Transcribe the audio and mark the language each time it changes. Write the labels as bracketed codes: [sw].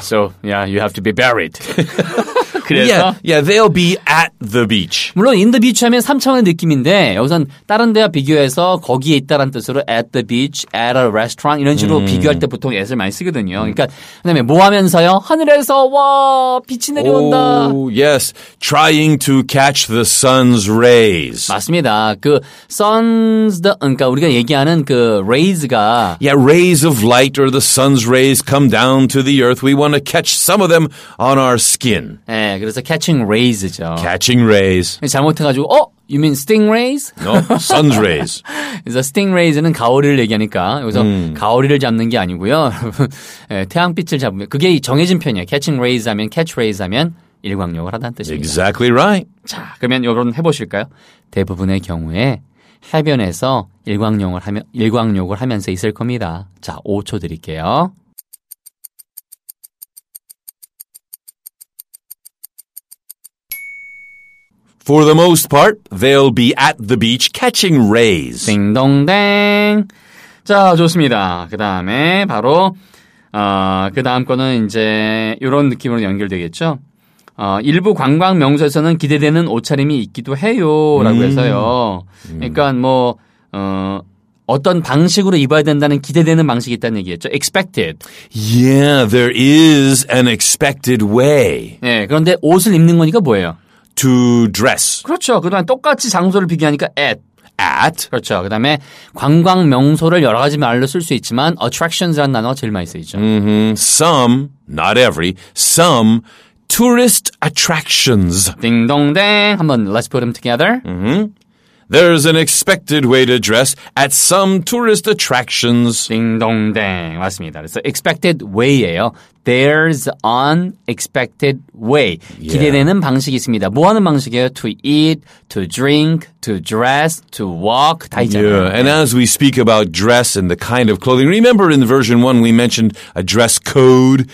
[en] So, yeah, you have to be buried. 그래서? Yeah, yeah, they'll be at the beach. [ko] 물론 in the beach 하면 3차원의 느낌인데 여기선 다른 데와 비교해서 거기에 있다라는 뜻으로 [en] at the beach, at a restaurant [ko] 이런 식으로 비교할 때 보통 at을 많이 쓰거든요. 그러니까 그다음에 뭐 하면서요? 하늘에서 와 빛이 내려온다. [en] Oh, yes, trying to catch the sun's rays. [ko] 맞습니다. 그 sun's, 그러니까 우리가 얘기하는 그 rays가 [en] Yeah, rays of light or the sun's rays come down to the earth. We want to catch some of them on our skin. [ko] 네, 그래서 catching rays죠. [en] Catching rays. [ko] 잘못해가지고 어? [en] You mean stingrays? No, sun's rays. [ko] 그래서 stingrays는 가오리를 얘기하니까 여기서 가오리를 잡는 게 아니고요. 네, 태양빛을 잡으면 그게 정해진 편이에요. Catching rays 하면 catch rays 하면 일광욕을 하다는 뜻입니다. [en] Exactly right. [ko] 자, 그러면 요런 해보실까요? 대부분의 경우에 해변에서 일광욕을 하면 일광욕을 하면서 있을 겁니다. 자, 5초 드릴게요. [en] For the most part, they'll be at the beach catching rays. [ko] 딩동댕. 자, 좋습니다. 그 다음에 바로 그 다음 거는 이제 이런 느낌으로 연결되겠죠. 일부 관광 명소에서는 기대되는 옷차림이 있기도 해요라고 해서요. 그러니까 뭐 어떤 방식으로 입어야 된다는 기대되는 방식이 있다는 얘기였죠. [en] Expected. Yeah, there is an expected way. [ko] 네, 그런데 옷을 입는 거니까 뭐예요? [en] To dress. [ko] 그렇죠. 그다음에 똑같이 장소를 비교하니까 at. [en] At. [ko] 그렇죠. 그다음에 관광 명소를 여러 가지 말로 쓸 수 있지만 attractions라는 단어가 제일 많이 쓰이죠. [en] Mm-hmm. Some, not every, some tourist attractions. [ko] 딩동댕. 한번 [en] let's put them together. Mm-hmm. There's an expected way to dress at some tourist attractions. [ko] 딩동댕. 맞습니다. 그래서 expected way예요. [en] There's an expected way. Yeah. [ko] 기대되는 방식이 있습니다. 뭐 하는 방식이에요? [en] To eat, to drink, to dress, to walk. [ko] 다 있잖아요. [en] Yeah. And as we speak about dress and the kind of clothing, remember in version 1 we mentioned a dress code?